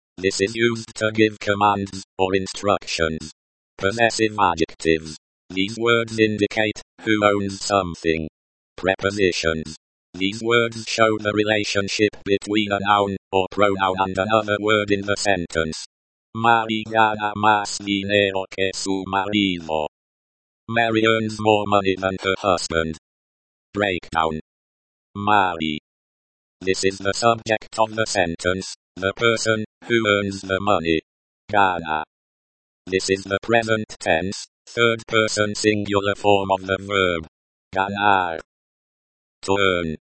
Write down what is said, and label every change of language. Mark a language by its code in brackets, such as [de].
[en] This is used to give commands or instructions. Possessive adjectives. These words indicate who owns something. Prepositions. These words show the relationship between a noun or pronoun and another word in the sentence. [es] Mary gana más dinero que su marido. [en] Mary earns more money than her husband. Breakdown. Mary. This is the subject of the sentence, the person who earns the money. Gana. This is the present tense, third person singular form of the verb. Ganar. To earn.